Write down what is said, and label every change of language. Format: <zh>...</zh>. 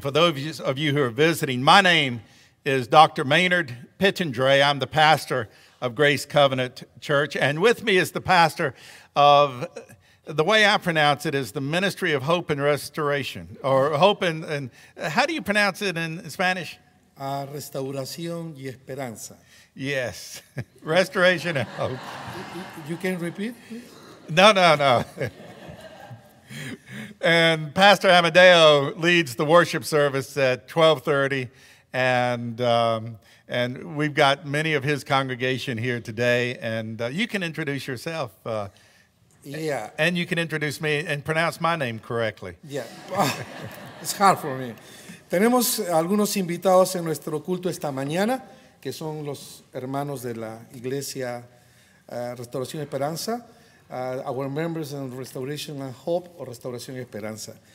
<en>For those of you who are visiting, my name is Dr. Maynard Pittendre. I'm the pastor of Grace Covenant Church, and with me is the pastor of... The way I pronounce it is the Ministry of Hope and Restoration, or Hope and how do you pronounce it in Spanish?</en> <es>Restauración y Esperanza.</es> <en>Yes, Restoration and Hope. You can repeat? No. And Pastor Amadeo leads the worship service at 12:30, and we've got many of his congregation here today, and you can introduce yourself. Yeah. And you can introduce me and pronounce my name correctly. Yeah. It's hard for me.</en> <es>Tenemos algunos invitados en nuestro culto esta mañana, que son los hermanos de la Iglesia Restauración y Esperanza,</es> <en>our members in Restoration and Hope,</en> <es>o Restauración y Esperanza.</es>